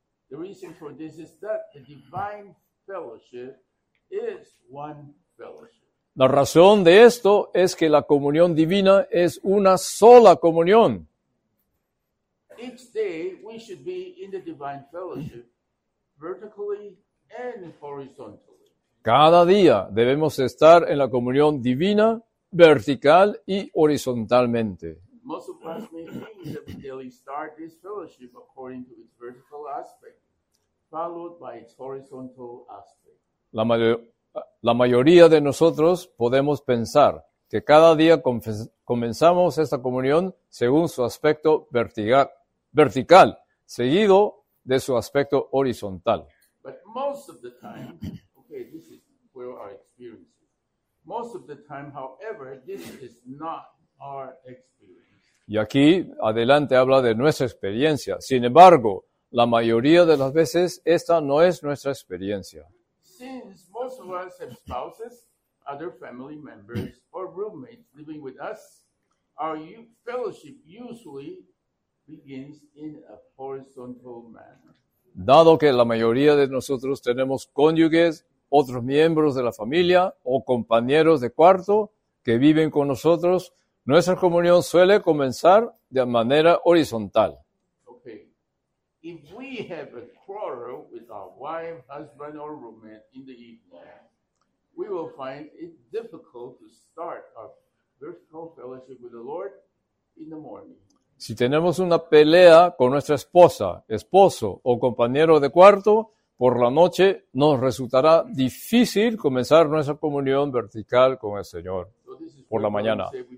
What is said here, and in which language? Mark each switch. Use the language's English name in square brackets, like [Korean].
[English] The reason for this is that the divine fellowship is one fellowship. [Spanish] La razón de esto es que la comunión divina es una sola comunión. [English] Each day we should be in the divine fellowship, vertically and horizontally. [Spanish] Cada día debemos estar en la comunión divina, vertical y horizontalmente. [English] Most of us may think that we daily start this fellowship according to its vertical aspect, followed by its horizontal aspect. [Spanish] La mayoría de nosotros podemos pensar que cada día comenzamos esta comunión según su aspecto vertical, seguido de su aspecto horizontal. [English] But most of the time, okay, this is where our experience is. Most of the time, however, this is not our experience. [Spanish] Y aquí adelante habla de nuestra experiencia. Sin embargo, la mayoría de las veces esta no es nuestra experiencia. [English] Since most of us have spouses, other family members, or roommates living with us, our fellowship usually begins in a horizontal manner. [Spanish] Dado que la mayoría de nosotros tenemos cónyuges, otros miembros de la familia o compañeros de cuarto que viven con nosotros, nuestra comunión suele comenzar de manera horizontal. [English] Okay. If we have a quarrel with our wife, husband, or roommate in the evening, we will find it difficult to start our vertical fellowship with the Lord in the morning. [Spanish] Si tenemos una pelea con nuestra esposa, esposo o compañero de cuarto, por la noche nos resultará difícil comenzar nuestra comunión vertical con el Señor por la mañana.